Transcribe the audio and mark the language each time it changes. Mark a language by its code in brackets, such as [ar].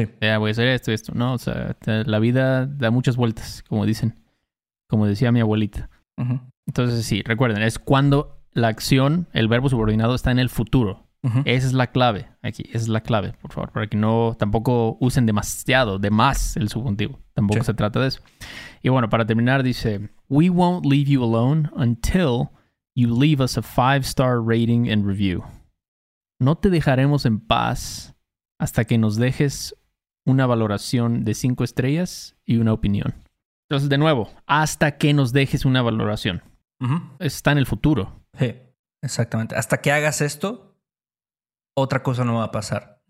[es] Voy a hacer esto y esto, ¿no? O sea, la vida da muchas vueltas, como dicen, como decía mi abuelita. Entonces, sí, recuerden, es cuando la acción, el verbo subordinado está en el futuro. Esa es la clave aquí, esa es la clave, por favor, para que no tampoco usen demasiado, de más el subjuntivo. Tampoco se trata de eso. Y bueno, para terminar, dice: [en] We won't leave you alone until you leave us a five-star rating and review. [es] No te dejaremos en paz hasta que nos dejes una valoración de 5 estrellas y una opinión. Entonces, de nuevo, hasta que nos dejes una valoración. Está en el futuro. Sí, exactamente. Hasta que hagas esto, otra cosa no va a pasar.